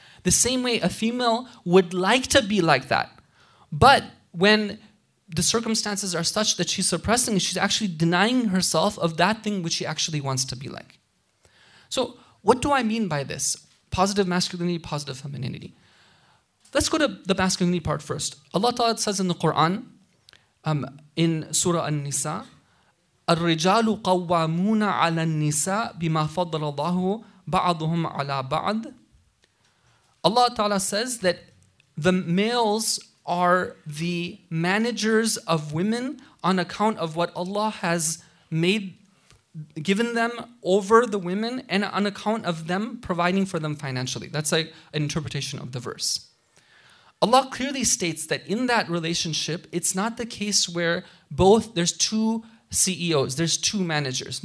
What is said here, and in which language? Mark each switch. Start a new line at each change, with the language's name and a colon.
English: The same way a female would like to be like that. But when the circumstances are such that she's suppressing, she's actually denying herself of that thing which she actually wants to be like. So what do I mean by this? Positive masculinity, positive femininity. Let's go to the masculinity part first. Allah Ta'ala says in the Quran, in Surah An-Nisa,
Arabic: الرجال قوامون على النساء بما فضل الله بعضهم على بعض.
English: Allah Ta'ala says that the males are the managers of women on account of what Allah has made, given them over the women, and on account of them providing for them financially. That's like an interpretation of the verse. Allah clearly states that in that relationship, it's not the case where both, there's two CEOs, there's two managers.